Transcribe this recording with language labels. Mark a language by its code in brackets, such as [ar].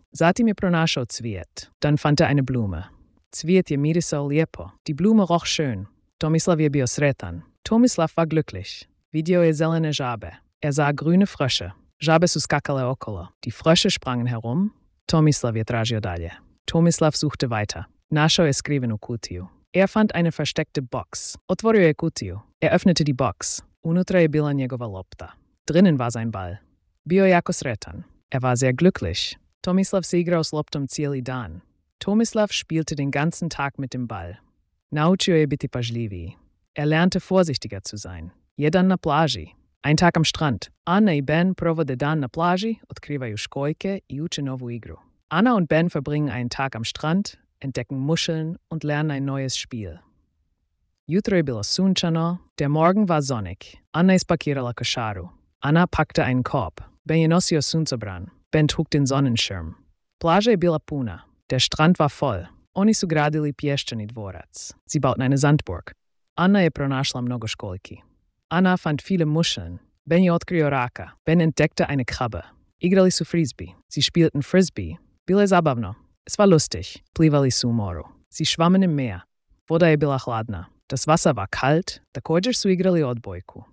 [hr] Zatim je pronašao cvijet. [de] Dann fand er eine Blume. [hr] Cvijet je mirisao lijepo. [de] Die Blume roch schön. [hr] Tomislav je bio sretan. [de] Tomislav war glücklich. [hr] Vidio je zelene žabe. [de] Er sah grüne Frösche. [hr] Žabe su skakale okolo. [de] Die Frösche sprangen herum. [hr] Tomislav je tražio dalje. [de] Tomislav suchte weiter. [hr] Našao je skrivenu kutiju. [de] Er fand eine versteckte Box. [hr] Otvorio je kutiju. [de] Er öffnete die Box. [hr] Unutra je bila njegova lopta. [de] Drinnen war sein Ball. [hr] Bio jako sretan. [de] Er war sehr glücklich. [hr] Tomislav se igrao s loptom cijeli dan. [de] Tomislav spielte den ganzen Tag mit dem Ball. [hr] Naučio je biti pažljivi. [de] Er lernte vorsichtiger zu sein. [hr] Jedan na plaži. [de] Ein Tag am Strand. [hr] Anna i Ben provode dan na plaži, otkrivaju škojke i uče novu igru. [de] Anna und Ben verbringen einen Tag am Strand, entdecken Muscheln und lernen ein neues Spiel. [hr] Jutro je bilo sunčano, [de] der Morgen war sonnig. [hr] Anna ispakirala košaru. [de] Anna packte einen Korb. [hr] Ben je nosio suncobran. [de] Ben trug den Sonnenschirm. [hr] Plaža je bila puna. [de] Der Strand war voll. [hr] Oni su gradili pješčani dvorac. [de] Sie bauten eine Sandburg. [hr] Anna je pronašla mnogo školjki. [de] Anna fand viele Muscheln. [hr] Ben je otkrio raka. [de] Ben entdeckte eine Krabbe. [hr] Igrali su frisbee. [de] Sie spielten frisbee. [hr] Bilo je zabavno. [de] Es war lustig. [hr] Plivali su u moru. [de] Sie schwammen im Meer. [hr] Voda je bila hladna. [de] Das Wasser war kalt. [hr] Također su igrali odbojku.